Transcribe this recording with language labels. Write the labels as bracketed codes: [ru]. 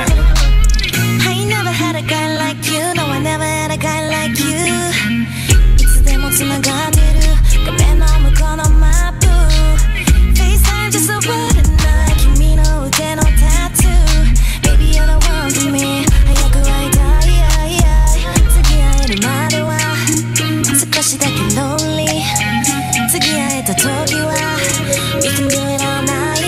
[en] I never had a guy like you. No, I never had a guy like you. [ja] いつでも繋がってる画面の向こうのマップ。 [en] FaceTime just a word and night. [ja] 君の腕のタトゥー。 [en] Baby you're the one for me. [ja] 早く会いたい。I, I. 次会えるまでは少しだけ lonely. 次会えた時は [en] We can do it all night.